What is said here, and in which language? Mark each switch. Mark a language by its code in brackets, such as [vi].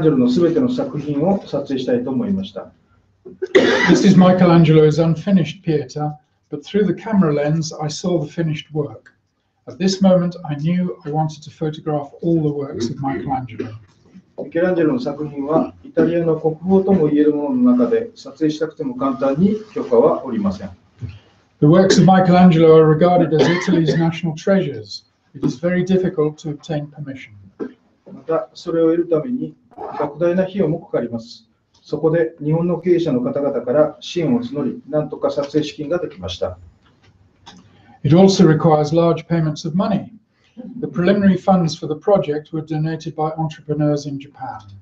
[ja] ミカンの作品ですが、カメラを向けるとなぜかその完成された姿が見えたんです。その時、ミケランジェロのすべての作品を撮影したいと思いました。 [en] This is Michelangelo's unfinished Pieta, but through the camera lens I saw the finished work. At this moment I knew I wanted to photograph all the works of Michelangelo. [ja] ミケランジェロの作品はイタリアの国宝とも言えるものの中で撮影したくても簡単に許可はおりません。 [en] The works of Michelangelo are regarded as Italy's national treasures. It is very difficult to obtain permission. [ja] また、それを得るために莫大な費用も掛かります。そこで日本の経営者の方々から支援を募り、なんとか撮影資金ができました。 [en] It also requires large payments of money. The preliminary funds for the project were donated by entrepreneurs in Japan.